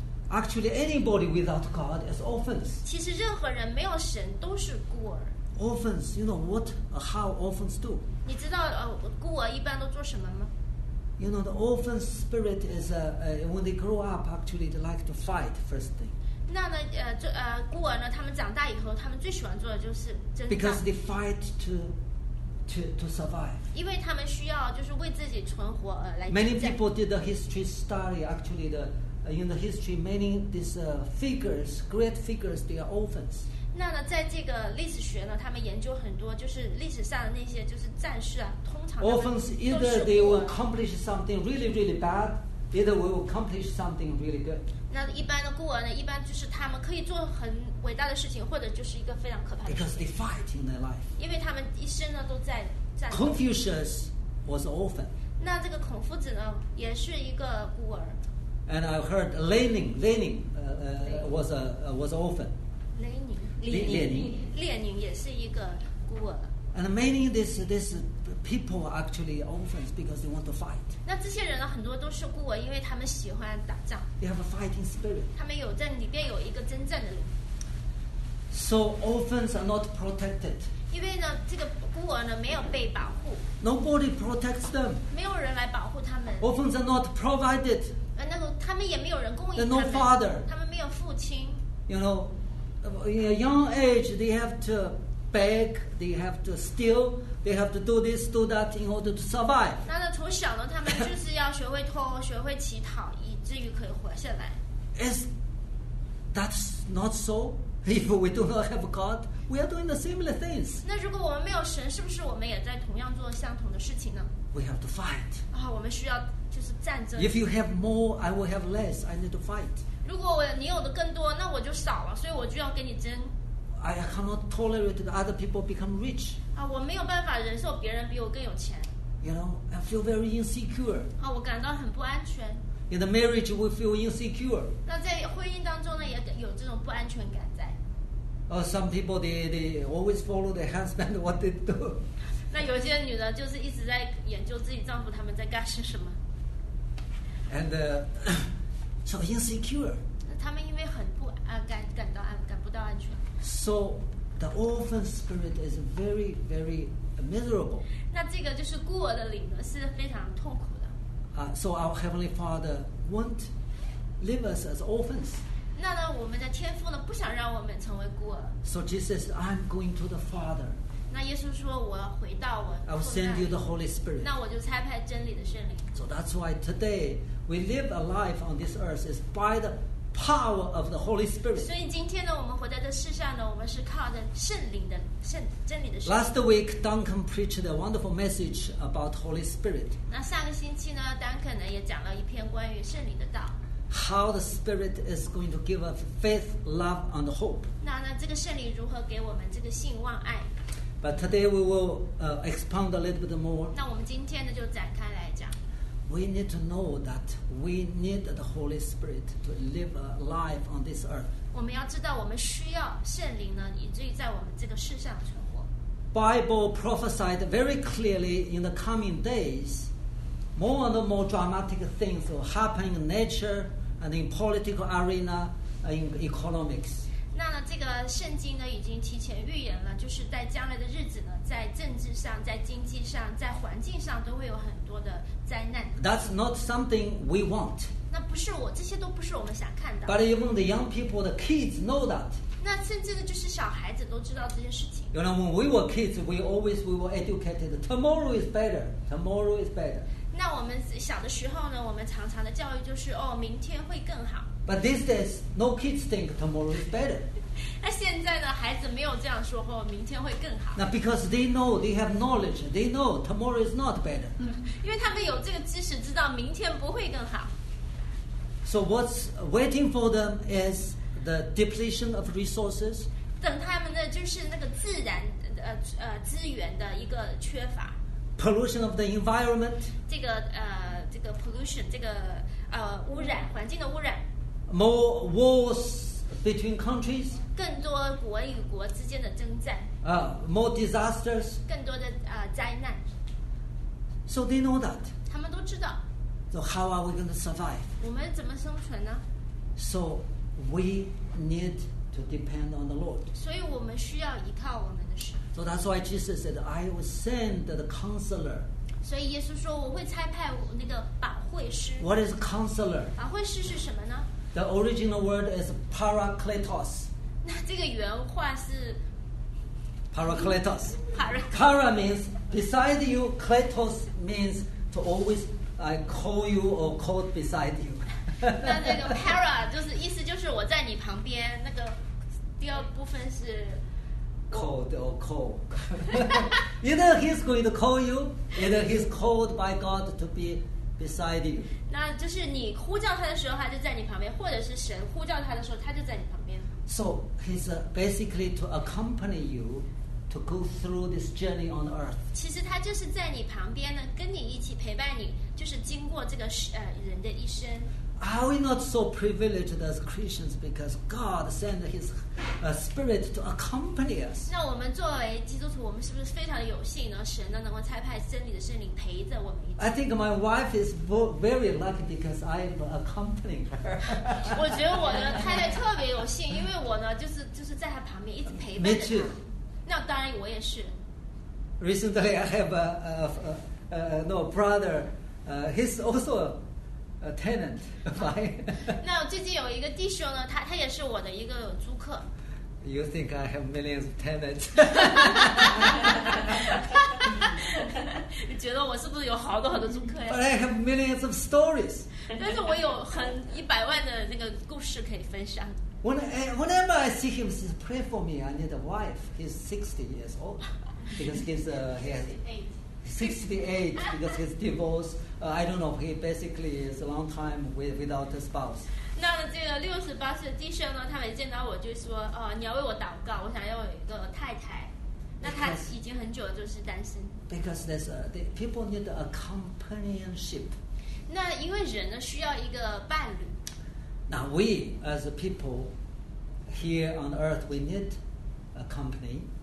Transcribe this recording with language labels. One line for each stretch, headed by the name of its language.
English: Actually, anybody without God is orphans.
Chinese: 其实任何人没有神都是孤儿。
English: Orphans, you know what? How orphans do?
Chinese: 你知道孤儿一般都做什么吗
English: ？You know the orphan spirit is when they grow up, actually they like to fight first thing.
Chinese: 那呢孤儿呢？他们长大以后，他们最喜欢做的就是争战。
English: Because they fight to survive.
Chinese: 因为他们需要就是为自己存活而来。
English: Many people did a history study. Actually, in the history, many these figures, great figures, they are orphans.
Chinese: 那呢，在这个历史学呢，他们研究很多，就是历史上的那些就是战士啊，通常
English: orphans either they will accomplish something really really bad, either will accomplish something really good.
Chinese: 那一般的孤儿呢，一般就是他们可以做很伟大的事情，或者就是一个非常可怕的事情。
English: Because they fight in their life.
Chinese: 因为他们一生呢都在战。
English: Confucius was an orphan.
Chinese: 那这个孔夫子呢，也是一个孤儿。
English: And I heard Lenin was an orphan.
Chinese: Lenin 也是一个孤儿。
English: And many this people actually orphans because they want to fight.
Chinese: 那这些人呢，很多都是孤儿，因为他们喜欢打仗。
English: They have a fighting spirit.
Chinese: 他们有在里边有一个真正的灵。
English: So orphans are not protected.
Chinese: 因为呢，这个孤儿呢没有被保护。
English: Nobody protects them.
Chinese: 没有人来保护他们。
English: Orphans are not provided.
Chinese: 那个他们也没有人供应他们。
English: They're no father.
Chinese: 他们没有父亲。
English: You know, in a young age, they have to. Beg, they have to steal, they have to do this, do that in order to survive.
Chinese: 那呢，从小呢，他们就是要学会偷，学会乞讨，以至于可以活下来。
English: It's that's not so. If we do not have God, we are doing the similar things.
Chinese: 那如果我们没有神，是不是我们也在同样做相同的事情呢？
English: We have to fight.
Chinese: 啊，我们需要就是战争。
English: If you have more, I will have less. I need to fight.
Chinese: 如果你有的更多，那我就少了，所以我就要跟你争。
English: I cannot tolerate the other people become rich.
Chinese: 啊，我没有办法忍受别人比我更有钱。
English: You know, I feel very insecure.
Chinese: 啊，我感到很不安全。
English: In the marriage, we feel insecure.
Chinese: 那在婚姻当中呢，也有这种不安全感在。
English: Some people they always follow their husband what they do.
Chinese: 那有些女的就是一直在研究自己丈夫他们在干些什么。
English: And so insecure.
Chinese: 那他们因为很不安感到不到安全。
English: So the orphan spirit is very very miserable.
Chinese: 那这个就是孤儿的灵呢，是非常痛苦。
English: So our Heavenly Father won't leave us as orphans.
Chinese: 那呢，我们的天父呢，不想让我们成为孤儿。
English: So Jesus, I'm going to the Father.
Chinese: 那耶稣说，我要回到我。
English: I will send you the Holy Spirit.
Chinese: 那我就差派真理的圣灵。
English: So that's why today we live a life on this earth is by the power of the Holy Spirit.
Chinese: 所以今天呢，我们活在这世上呢，我们是靠着圣灵的圣真理的圣。
English: Last week, Duncan preached a wonderful message about Holy Spirit.
Chinese: 那上个星期呢 ，Duncan 呢也讲了一篇关于圣灵的道。
English: How the Spirit is going to give us faith, love, and hope.
Chinese: 那呢，这个圣灵如何给我们这个信望爱
English: ？But today we will expound a little bit more.
Chinese: 那我们今天呢就展开来讲。
English: We need to know that we need the Holy Spirit to live a life on this earth.
Chinese: 我们要知道我们需要圣灵呢，以至于在我们这个世上存活。
English: Bible prophesied very clearly in the coming days, more and more dramatic things will happen in nature and in political arena, in economics.
Chinese: 那呢，这个圣经呢已经提前预言了，就是在将来的日子呢，在政治上、在经济上、在环境上都会有很多的。
English: That's not something we want.
Chinese: 那不是我，这些都不是我们想看到。
English: But even the young people, the kids know that.
Chinese: 那甚至呢，就是小孩子都知道这些事情。
English: You know, when we were kids, we were educated. Tomorrow is better. Tomorrow is better.
Chinese: 那我们小的时候呢，我们常常的教育就是哦，明天会更好。
English: But these days, no kids think tomorrow is better.
Chinese: 那现在呢，孩子没有这样说哦，明天会更好。
English: 那 because they know, they have knowledge, they know tomorrow is not better.
Chinese: 因为他们有这个知识，知道明天不会更好。
English: So what's waiting for them is the depletion of resources.
Chinese: 等他们的就是那个自然资源的一个缺乏。
English: Pollution of the environment.
Chinese: 这个 pollution, 这个污染，环境的污染。
English: More wars between countries.
Chinese: 更多国与国之间的征战。
English: More disasters.
Chinese: 更多的灾难。
English: So they know that.
Chinese: 他们都知道。
English: So how are we going to survive?
Chinese: 我们怎么生存呢？
English: So we need to depend on the Lord.
Chinese: 所以我们需要依靠我们的神。
English: So that's why Jesus said, "I will send the Counselor."
Chinese: 所以耶稣说，我会差派那个保惠师。
English: What is Counselor?
Chinese: 保惠师是什么呢？
English: The original word is parakletos.
Chinese: 那这个原话是
English: parakletos. Para means beside you. Kletos means to always I call you or call beside you.
Chinese: 那那个 para 就是意思就是我在你旁边。那个第二部分是
English: called or call. Either he's going to call you, either he's called by God to be. Beside you.
Chinese: 那就是你呼叫他的时候，他就在你旁边，或者是神呼叫他的时候，他就在你旁边。
English: So he's basically to accompany you to go through this journey on earth.
Chinese: 其实他就是在你旁边呢，跟你一起陪伴你，就是经过这个人的一生。
English: Are we not so privileged as Christians because God sent His Spirit to accompany us?
Chinese: 那我们作为基督徒，我们是不是非常有幸呢？神呢能够差派真理的圣灵陪着我们一起。
English: I think my wife is very lucky because I'm accompanying her.
Chinese: 我觉得我的太太特别有幸，因为我呢就是在她旁边一直陪伴着她。
English: Me too.
Chinese: 那当然我也是。
English: Recently, I have a brother. He's also. A tenant, fine.
Chinese: 那最近有一个弟兄呢，他也是我的一个租客。
English: You think I have millions of tenants?
Chinese: 你觉得我是不是有好多好多租客呀
English: ？But I have millions of stories.
Chinese: 但是我有一百万的那个故事可以分享。
English: Whenever I see him, he says, pray for me, I need a wife. He's 60 years old. Because he's 68 because he's divorced. I don't know, he basically is a long time without a spouse.
Chinese: 那这个六十八岁的弟兄呢，他每见到我就说，哦，你要为我祷告，我想要有一个太太。那他已经很久就是单身。
English: Because there's people need a companionship.
Chinese: 那因为人呢需要一个伴侣。
English: Now we as people here on earth, we need a company.